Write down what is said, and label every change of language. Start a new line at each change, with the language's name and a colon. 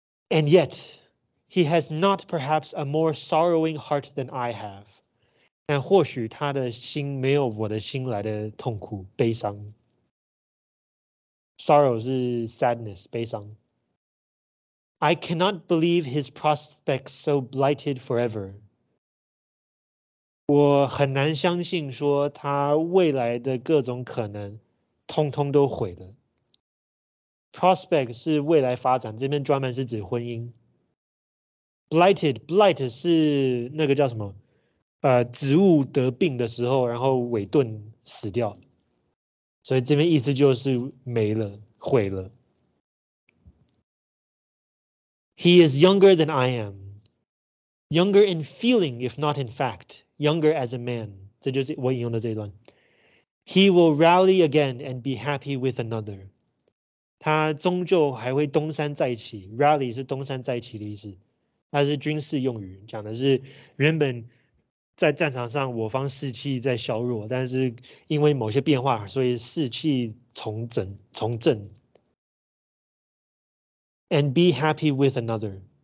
English: And yet, he has not perhaps a more sorrowing heart than I have.
Chinese: 但或许他的心没有我的心来的痛苦、悲伤。
English: Sorrow
Chinese: 是
English: sadness, 悲伤。I cannot believe his prospects so blighted forever.
Chinese: 我很难相信说他未来的各种可能通通都毁了。 Prospect 是未来发展，这边专门是指婚姻。 Blight 是那个叫什么？植物得病的时候，然后萎顿死掉。所以这边意思就是没了，毁了。
English: He is younger than I am. Younger in feeling, if not in fact. Younger as a man.
Chinese: 这就是我引用的这一段。
English: He will rally again and be happy with another.
Chinese: 他终究还会东山再起。Rally 是东山再起的意思。它是军事用语，讲的是原本在战场上我方士气在削弱，但是因为某些变化，所以士气重振。
English: And be happy with another.